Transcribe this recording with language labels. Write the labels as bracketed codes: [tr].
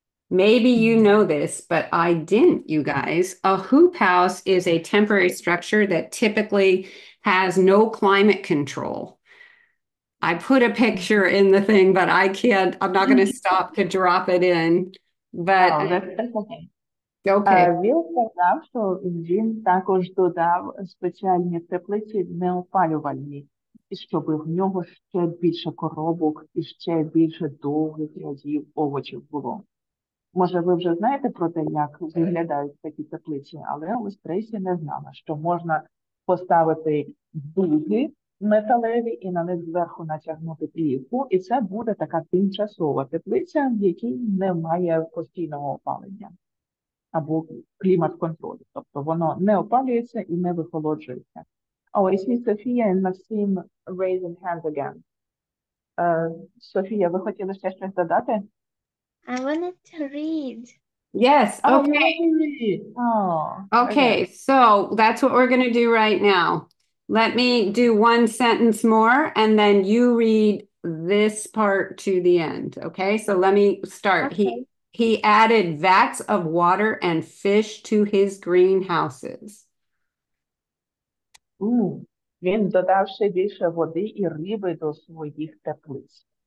[en] Maybe you know this, but I didn't, you guys. A hoop house is a temporary structure that typically has no climate control. I put a picture in the thing, but I can't, I'm not going to stop to drop it in. But oh, that's okay. Okay. [uk] Він сказав, що він також додав спеціальні теплиці неопалювальні, щоб в нього ще більше коробок і ще більше довгих рядів овочів було. Може, ви вже знаєте про те, як виглядають такі теплиці, але ось Трейсі не знала, що можна поставити дуги металеві і на них зверху натягнути плівку, і це буде така тимчасова теплиця, в якій немає постійного опалення. Або клімат контролю. Тобто воно не опалюється і не вихолоджується. [en] Oh, I see Sofia and Maxim raising hands again. [uk] Sofia, ви хотіли ще щось додати? [en] I wanted to read. Yes, okay. Oh, really? Okay, so that's what we're going to do right now. Let me do one sentence more and then you read this part to the end. Okay, so let me start. Okay. He added vats of water and fish to his greenhouses. [uk] Він додав ще більше води і риби до своїх теплиць.